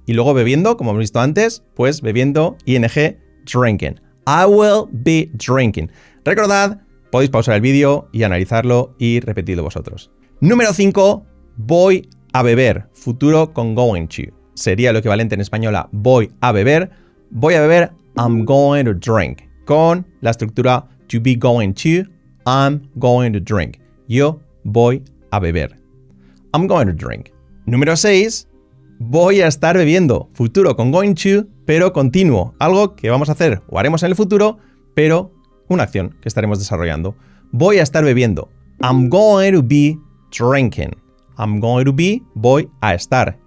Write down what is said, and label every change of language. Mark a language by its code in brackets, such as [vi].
[es] Y luego bebiendo, como hemos visto antes, pues bebiendo, ing, drinking. [en] I will be drinking. [es] Recordad, podéis pausar el vídeo y analizarlo y repetirlo vosotros. Número 5, voy a beber. Futuro con going to. Sería lo equivalente en español a voy a beber. Voy a beber, [en] I'm going to drink. [es] Con la estructura [en] to be going to, I'm going to drink. [es] Yo voy a beber. [en] I'm going to drink. [es] Número 6, voy a estar bebiendo. Futuro con going to, pero continuo. Algo que vamos a hacer o haremos en el futuro, pero una acción que estaremos desarrollando. Voy a estar bebiendo. [en] I'm going to be drinking. I'm going to be, [es] voy a estar.